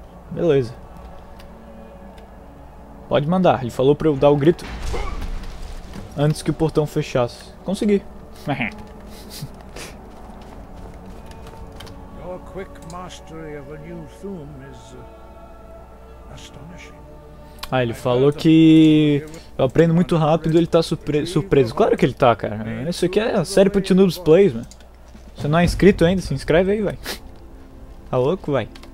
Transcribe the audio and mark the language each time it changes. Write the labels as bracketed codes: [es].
[pt] Beleza. Pode mandar, ele falou pra eu dar o grito antes que o portão fechasse. Consegui. [en] Your quick mastery of a new thumb is astonishing. [pt] Ah, ele falou que eu aprendo muito rápido e ele tá surpreso. Claro que ele tá, cara. Isso aqui é a série pro Tio Noobs Plays, mano. Você não é inscrito ainda, se inscreve aí, vai. Tá louco, vai.